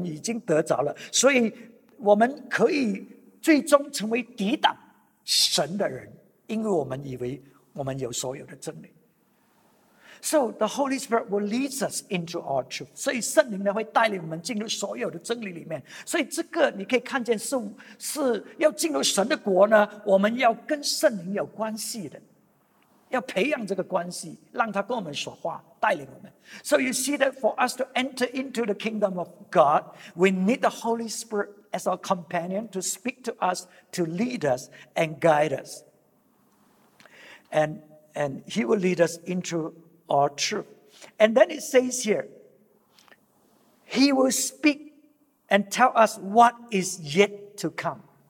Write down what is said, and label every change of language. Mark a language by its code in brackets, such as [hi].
[zh] 所以你看，非常严重的或者危险的。当我们知道一点点真理，我们以为我们已经得着了，所以我们可以 最终成为抵挡神的人，因为我们以为我们有所有的真理。So [en] the Holy Spirit will lead us into all truth. [zh] 所以圣灵呢会带领我们进入所有的真理里面。所以这个你可以看见是要进入神的国呢，我们要跟圣灵有关系的，要培养这个关系，让他跟我们说话，带领我们。So [en] you see that for us to enter into the kingdom of God, we need the Holy Spirit as our companion, to speak to us, to lead us, and guide us. And he will lead us into our truth. And then it says here, he will speak and tell us what is yet to come.